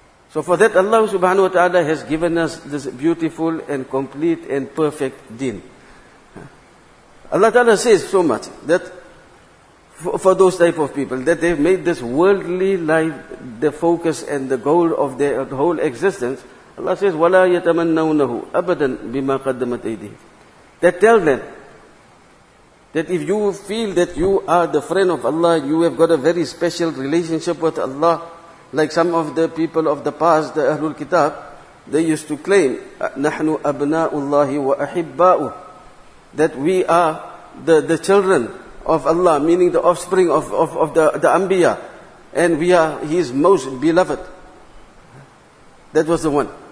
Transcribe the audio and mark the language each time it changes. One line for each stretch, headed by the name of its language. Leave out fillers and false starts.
English: So for that, Allah subhanahu wa ta'ala has given us this beautiful and complete and perfect deen. Allah ta'ala says so much that for those type of people, that they've made this worldly life the focus and the goal of their whole existence. Allah says,
Arabic: وَلَا يَتَمَنَّوْنَهُ أَبَدًا بِمَا قَدَّمَتْ أَيْدِهِ.
English: That tell them that if you feel that you are the friend of Allah, you have got a very special relationship with Allah, like some of the people of the past, the Ahlul Kitab, they used to claim,
Arabic: "Nahnu abna'ullahi wa ahibba'u,"
English: that we are the children of Allah, meaning the offspring of the Anbiya, and we are His most beloved. That was the one.